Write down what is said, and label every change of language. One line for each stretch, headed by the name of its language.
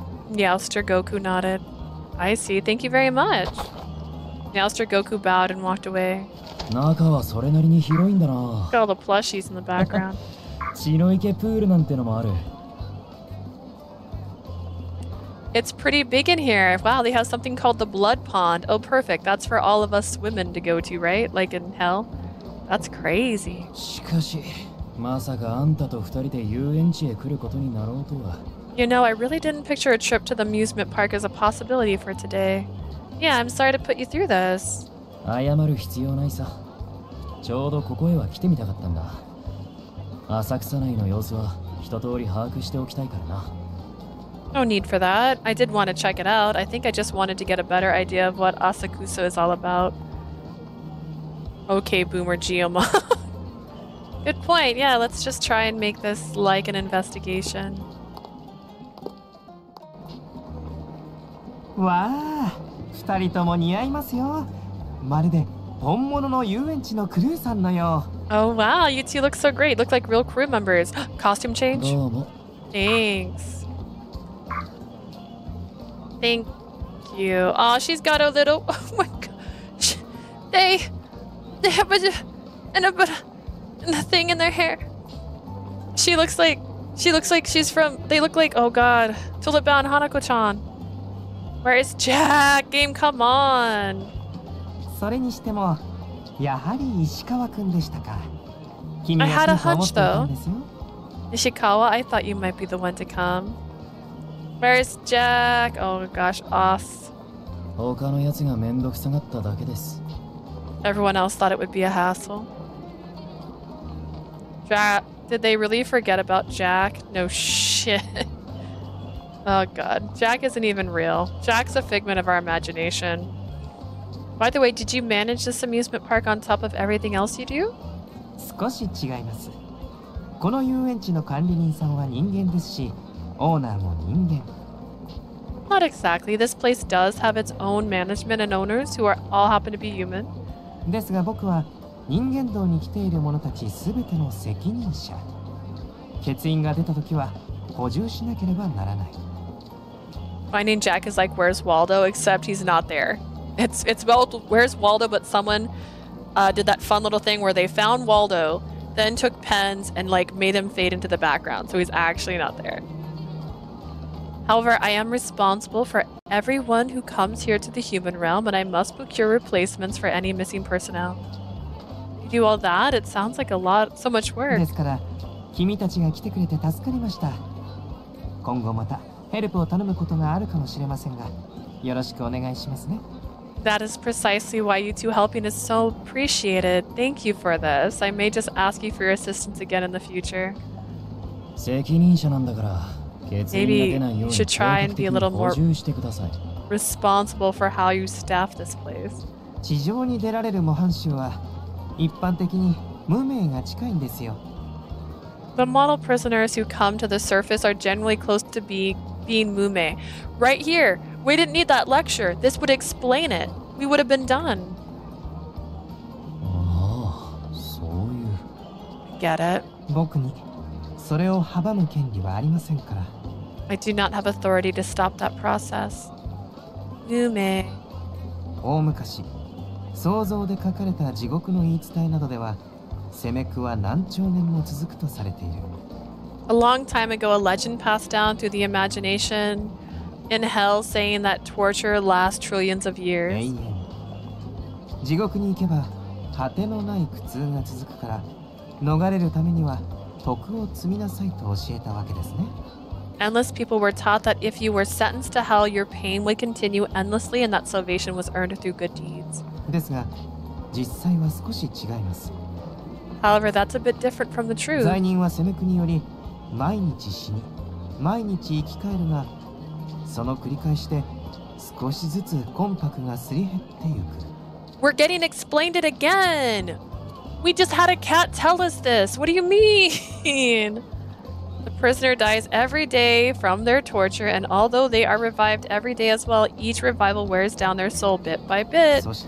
English: Meowster Goku nodded. I see. Thank you very much. Meowster Goku bowed and walked away. Look at all the plushies in the background.
Japanese: 血の池プールなんてのもある。
English: It's pretty big in here. Wow, they have something called the blood pond. Oh, perfect. That's for all of us women to go to, right? Like in hell? That's crazy.
Japanese: しかし、まさかあんたと二人で遊園地へ来ることになろうとは。
English: You know, I really didn't picture a trip to the amusement park as a possibility for today. Yeah, I'm sorry to put you through this.
Japanese: 謝る必要ないさ。ちょうどここへは来てみたかったんだ。浅草内の様子は一通り把握しておきたいからな。
English: No need for that. I did want to check it out. I think I just wanted to get a better idea of what Asakusa is all about. Okay, Boomer Geoma. Good point. Yeah, let's just try and make this like an investigation.
Japanese: わあ、二人とも似合いますよ。まるで本物の遊園地のクルーさんのよう。
English: Oh wow, you two look so great. Look like real crew members. Costume change?
Japanese: どうも。
English: Thanks. Thank you. Oh, she's got a little... Oh my god. They have a thing in their hair. She looks like she's from... They look like... Oh god. Tulipa and Hanako-chan. Where is Jack? Game, come on.
Japanese: それにしても、やはり石川くんでしたか。
English: I had a hunch though. Ishikawa, I thought you might be the one to come. Where's Jack? Oh gosh, off.
Japanese: 他のやつが面倒くさがっただけです。
English: Everyone else thought it would be a hassle. Jack, did they really forget about Jack? No shit. Oh god, Jack isn't even real. Jack's a figment of our imagination. By the way, did you manage this amusement park on top of everything else you do?
Japanese: 少し違います。この遊園地の管理人さんは人間ですし、オーナーも人間。
English: Not exactly. This place does have its own management and owners who are all happen to be human.
Japanese: ですが僕は人間道に来ている者たち全ての責任者。欠員が出た時は補充しなければならない。
English: Finding Jack is like Where's Waldo, except he's not there. It's about Where's Waldo, but someone did that fun little thing where they found Waldo, then took pens and like made him fade into the background, so he's actually not there. However, I am responsible for everyone who comes here to the human realm, and I must procure replacements for any missing personnel. You do all that? It sounds like a lot, so much work.
Japanese: ですから、君たちが来てくれて助かりました。今後またヘルプを頼むことがあるかもしれませんが、よろしくお願いしますね。
English: That is precisely why you two helping is so appreciated. Thank you for this. I may just ask you for your assistance again in the future. Maybe you should try and be a little more responsible for how you staff this place.
Japanese: 地上に出られる模範囚は一般的に無名が近いんですよ。
English: The model prisoners who come to the surface are generally close to being mume. Right here. We didn't need that lecture. This would explain it. We would have been done. Oh, so you get it.
Japanese: 僕にそれを阻む権利はありませんから。
English: I do not have authority to stop that process. Mume.
Japanese: 大昔、想像で書かれた地獄の言い伝えなどでは、せめくは何兆年も続くとされている。
English: A long time ago, a legend passed down through the imagination in hell saying that torture lasts trillions of years.
Japanese: 地獄に行けば果てのない苦痛が続くから逃れるためには徳を積みなさいと教えたわけですね。
English: Endless people were taught that if you were sentenced to hell, your pain would continue endlessly and that salvation was earned through good deeds.
Japanese: ですが、実際は少し違います。
English: However, that's a bit different from the truth.
Japanese: 罪人は責め国より毎日死に、毎日生き返るが、その繰り返しで少しずつ魂魄がすり減ってゆく。
English: We're getting explained it again! We just had a cat tell us this! What do you mean? Prisoner dies every day from their torture, and although they are revived every day as well, each revival wears down their soul bit by bit.